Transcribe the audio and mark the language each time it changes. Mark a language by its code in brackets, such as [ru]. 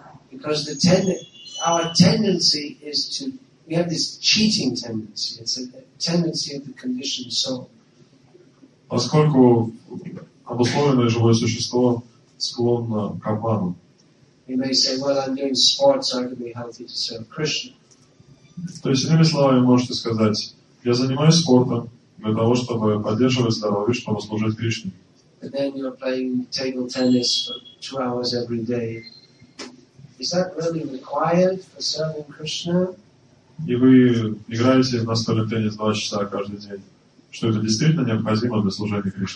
[en] Because the our tendency is to, we have this cheating tendency. It's a tendency of the conditioned soul. [ru] Поскольку обусловленное живое существо склонно к обману. [en] You may say, well, I'm doing sports, so I can be healthy to serve Krishna. [ru] То есть, иными словами, можете сказать, я занимаюсь спортом для того, чтобы поддерживать здоровье, чтобы служить Кришне. [en] But then you're playing table tennis for 2 hours every day. Is that really required for serving Krishna? [ru] И вы играете в настольный теннис 2 часа каждый день. Что это действительно необходимо для служения